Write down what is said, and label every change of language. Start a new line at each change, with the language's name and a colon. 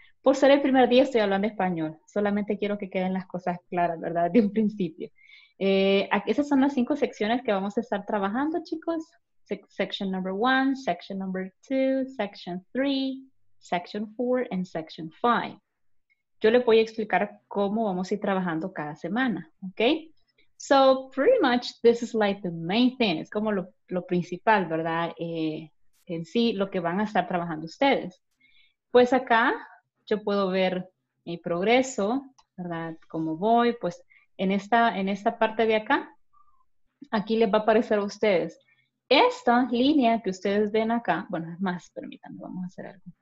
Spanish: Por ser el primer día, estoy hablando español. Solamente quiero que queden las cosas claras, ¿verdad? De un principio. Esas son las cinco secciones que vamos a estar trabajando, chicos.
English: Section number one, section number two, section three, section four, and section five.
Spanish: Yo les voy a explicar cómo vamos a ir trabajando cada semana, ¿ok?
English: So, pretty much, this is like the main thing.
Spanish: Es como lo principal, ¿verdad? En sí, lo que van a estar trabajando ustedes. Pues acá, yo puedo ver mi progreso, ¿verdad? Cómo voy, pues, en esta parte de acá, aquí les va a aparecer a ustedes. Esta línea que ustedes ven acá, bueno, es más, permítanme, vamos a hacer algo.